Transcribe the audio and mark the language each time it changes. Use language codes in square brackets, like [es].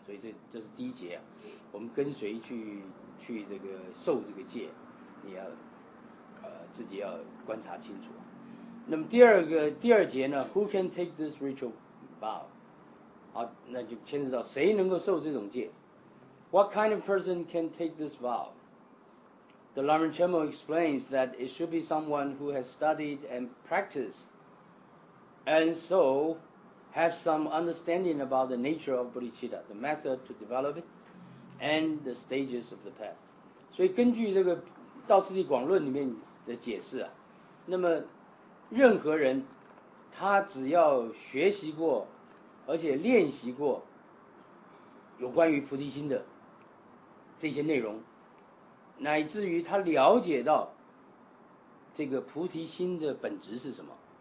[zh] 所以这是第一节啊，我们跟随去这个受这个戒，你要自己要观察清楚。那么第二节呢 [en] ,who can take this ritual vow? [zh] 好，那就牵扯到谁能够受这种戒。 [en] What kind of person can take this vow? The Lama Chenmo explains that it should be someone who has studied and practiced, and so has some understanding about the nature of bodhicitta, the method to develop it, and the stages of the path. [zh] 所以根据这个《道次第广论》里面的解释啊，那么任何人他只要学习过，而且练习过有关于菩提心的这些内容，乃至于他了解到这个菩提心的本质是什么，